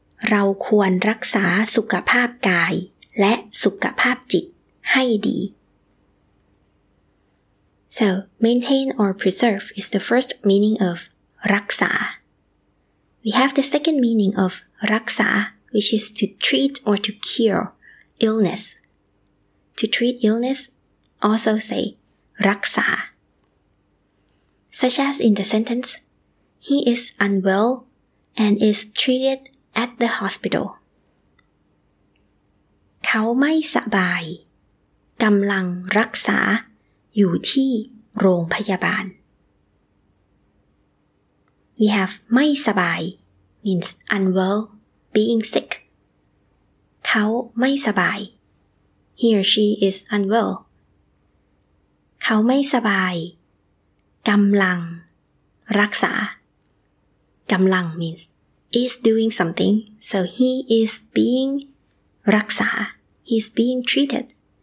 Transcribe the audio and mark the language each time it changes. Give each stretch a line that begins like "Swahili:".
Thai: เราควรรักษาสุขภาพกายและสุขภาพจิตให้ดี
English: So, maintain or preserve is the first meaning of รักษา We have the second meaning of รักษา which is to treat or to cure illness. To treat illness, also say รักษา Such as in the sentence, he is unwell and is treated at the hospital.
Thai: เขาไม่สบายกำลังรักษาอยู่ที่โรงพยาบาล
English: We have ไม่สบาย means unwell, being sick
Thai: เขาไม่สบาย
English: He or she is unwell
Thai: เขาไม่สบายกำลังรักษากำลัง
English: means is doing something so he is being รักษา He is being treated เ